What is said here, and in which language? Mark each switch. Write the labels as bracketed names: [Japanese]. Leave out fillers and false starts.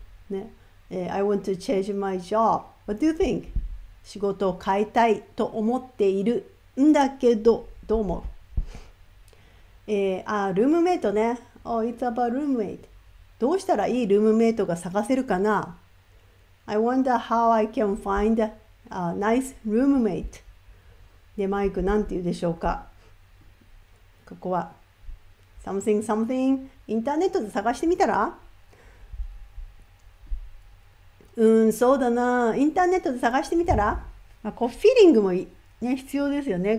[English] ね。I want to change my job. What do you think？ [Japanese] 仕事を変えたいと思っているんだけど、どう思う？ルームメイトね。 [English] Oh, it's about roommate. [Japanese] どうしたらいいルームメイトが探せるかな？ [English] I wonder how I can find a nice roommate. [Japanese] で、マイク、なんて言うでしょうか？ここは、インターネットで探してみたら？そうだな。インターネットで探してみたら？まあ、こう、フィーリングもね、必要ですよね。